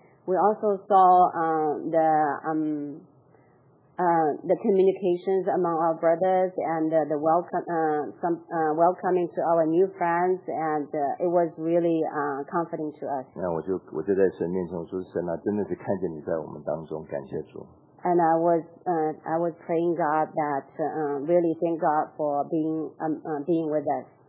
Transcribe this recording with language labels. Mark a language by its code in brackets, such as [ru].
[en] We also saw the communications among our brothers and the welcoming to our new friends, and it was really comforting to us. [zh] 那我就在神面前说，神啊，真的是看见你在我们当中，感谢主。 [en] And I was praying God that really thank God for being with us.